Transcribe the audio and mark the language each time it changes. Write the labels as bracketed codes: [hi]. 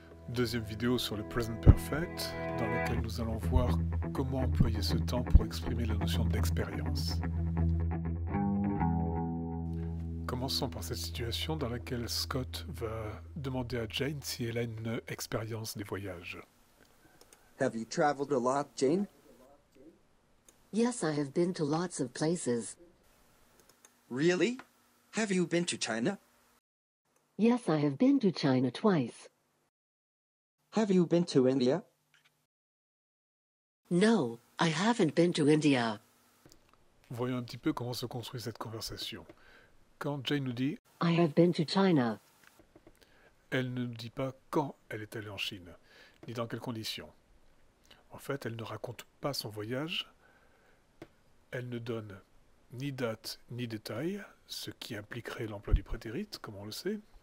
[fr] Deuxième vidéo sur le Present Perfect, dans laquelle nous allons voir comment employer ce temps pour exprimer la notion d'expérience. Commençons par cette situation dans laquelle Scott va demander à Jane si elle a une expérience des voyages. [en] Have you traveled a lot, Jane? Yes, I have been to lots of places. Really? Have you been to China? Yes, I have been to China twice. Have you been to India? No, I haven't been to India. [fr] Voyons un petit peu comment se construit cette conversation. Quand Jane nous dit [en] « I have been to China », [fr] elle ne nous dit pas quand elle est allée en Chine, ni dans quelles conditions. En fait, elle ne raconte pas son voyage. Elle ne donne ni date ni détail, ce qui impliquerait l'emploi du prétérit, comme on le sait.